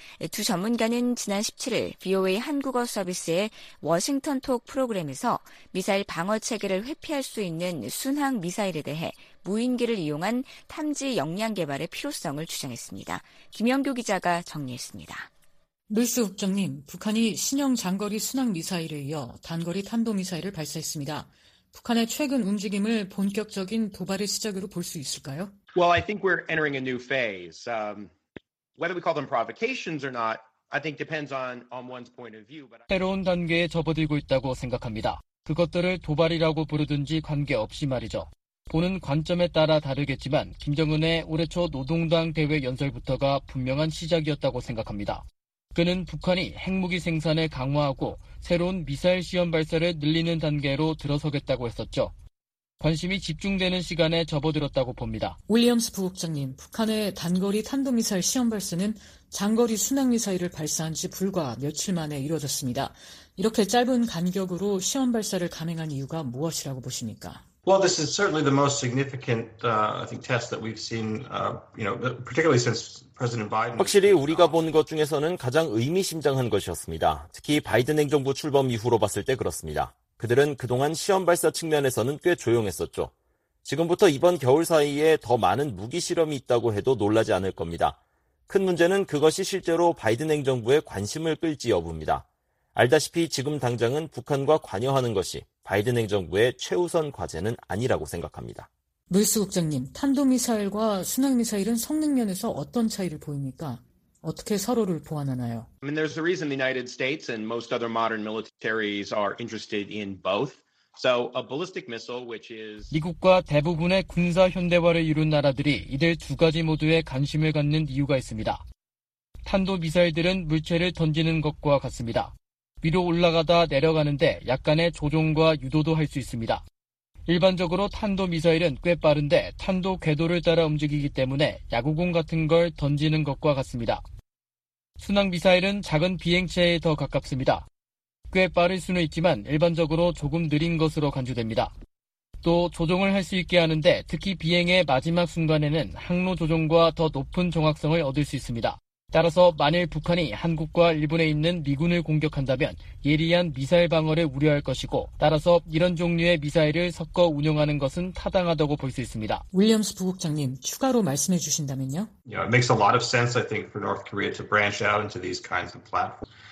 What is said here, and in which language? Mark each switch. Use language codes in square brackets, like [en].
[ko] 두 전문가는 지난 17일 VOA 한국어 서비스의 워싱턴 톡 프로그램에서 미사일 방어 체계를 회피할 수 있는 순항 미사일에 대해 무인기를 이용한 탐지 역량 개발의 필요성을 주장했습니다. 김영규 기자가 정리했습니다. 루스 국장님, 북한이 신형 장거리 순항 미사일에 이어 단거리 탄도미사일을 발사했습니다. 북한의 최근 움직임을 본격적인 도발의 시작으로 볼 수 있을까요? [en] Well, I think we're entering a new phase. Whether we call them provocations or not, I think depends on one's point of view. [ko] 새로운 단계에 접어들고 있다고 생각합니다. 그것들을 도발이라고 부르든지 관계없이 말이죠. 보는 관점에 따라 다르겠지만 김정은의 올해 초 노동당 대회 연설부터가 분명한 시작이었다고 생각합니다. 그는 북한이 핵무기 생산을 강화하고 새로운 미사일 시험 발사를 늘리는 단계로 들어서겠다고 했었죠. 관심이 집중되는 시간에 접어들었다고 봅니다. 윌리엄스 부국장님, 북한의 단거리 탄도미사일 시험 발사는 장거리 순항미사일을 발사한 지 불과 며칠 만에 이루어졌습니다. 이렇게 짧은 간격으로 시험 발사를 감행한 이유가 무엇이라고 보십니까? [en] Well, this is certainly the most significant, I think, test that we've seen, you know, particularly since President Biden. [ko] 확실히 우리가 본 것 중에서는 가장 의미심장한 것이었습니다. 특히 바이든 행정부 출범 이후로 봤을 때 그렇습니다. 그들은 그동안 시험 발사 측면에서는 꽤 조용했었죠. 지금부터 이번 겨울 사이에 더 많은 무기 실험이 있다고 해도 놀라지 않을 겁니다. 큰 문제는 그것이 실제로 바이든 행정부의 관심을 끌지 여부입니다. 알다시피 지금 당장은 북한과 관여하는 것이 바이든 행정부의 최우선 과제는 아니라고 생각합니다. 루이스 국장님, 탄도미사일과 순항미사일은 성능 면에서 어떤 차이를 보입니까? 어떻게 서로를 보완하나요? [en] I mean, there's a reason the United States and most other modern militaries are interested in both. So a ballistic missile, which is [ko] 미국과 대부분의 군사 현대화를 이룬 나라들이 이들 두 가지 모두에 관심을 갖는 이유가 있습니다. 탄도미사일들은 물체를 던지는 것과 같습니다. 위로 올라가다 내려가는데 약간의 조종과 유도도 할 수 있습니다. 일반적으로 탄도미사일은 꽤 빠른데 탄도 궤도를 따라 움직이기 때문에 야구공 같은 걸 던지는 것과 같습니다. 순항미사일은 작은 비행체에 더 가깝습니다. 꽤 빠를 수는 있지만 일반적으로 조금 느린 것으로 간주됩니다. 또 조종을 할 수 있게 하는데 특히 비행의 마지막 순간에는 항로 조종과 더 높은 정확성을 얻을 수 있습니다. 따라서 만일 북한이 한국과 일본에 있는 미군을 공격한다면 예리한 미사일 방어를 우려할 것이고 따라서 이런 종류의 미사일을 섞어 운용하는 것은 타당하다고 볼 수 있습니다. 윌리엄스 부국장님, 추가로 말씀해 주신다면요? [en] Yeah, it makes a lot of sense, I think, for North Korea to branch out into these kinds of platforms.